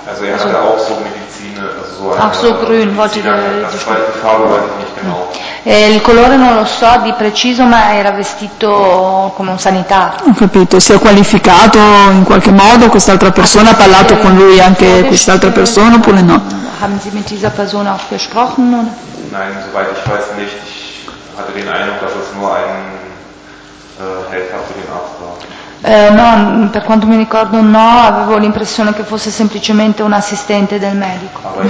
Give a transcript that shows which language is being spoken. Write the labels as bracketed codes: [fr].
[de] Also er hatte auch so Medizin, also so eine, ach so, grün, wollte die zweite Farbe, weiß ich nicht genau. [it] Il colore non lo so di preciso, ma era vestito come un sanitario. Ho capito, si è qualificato in qualche modo quest'altra persona, ha parlato con lui anche quest'altra persona oppure no? [de] Haben Sie mit dieser Person auch gesprochen? Oder? Nein, soweit ich weiß nicht. Ich hatte den Eindruck, dass es nur ein Helfer für den Arzt war. [it] No, per quanto mi ricordo no, avevo l'impressione che fosse semplicemente un assistente del medico.